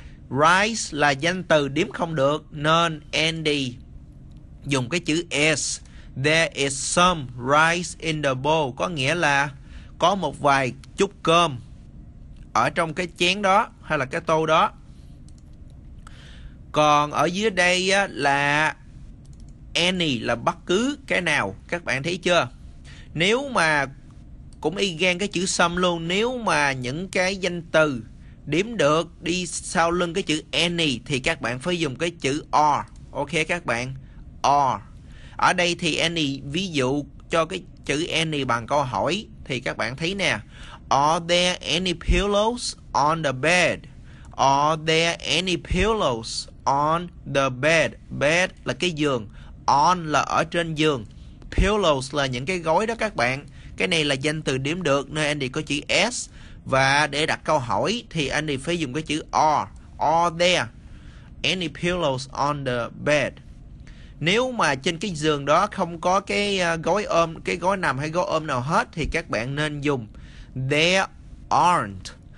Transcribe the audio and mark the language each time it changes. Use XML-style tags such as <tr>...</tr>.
<vi>Rice là danh từ điếm không được nên Andy dùng cái chữ is.</vi> <en>There is some rice in the bowl.</en> <vi>Có nghĩa là có một vài chút cơm ở trong cái chén đó hay là cái tô đó. Còn ở dưới đây á, là any là bất cứ cái nào. Các bạn thấy chưa? Nếu mà cũng y gan cái chữ some luôn. Nếu mà những cái danh từ điếm được đi sau lưng cái chữ any thì các bạn phải dùng cái chữ are. Ok các bạn? Are. Ở đây thì any ví dụ cho cái chữ any bằng câu hỏi. Thì các bạn thấy nè.</vi> <en>Are there any pillows on the bed? Are there any pillows on the bed?</en> <vi>Bed là cái giường. On là ở trên giường. Pillows là những cái gối đó các bạn. Cái này là danh từ điểm được nên Andy có chữ S. Và để đặt câu hỏi thì Andy phải dùng cái chữ are.</vi> <en>Are there any pillows on the bed?</en> <vi>Nếu mà trên cái giường đó không có cái gối nằm hay gối ôm nào hết thì các bạn nên dùng</vi> <en>There aren't.</en>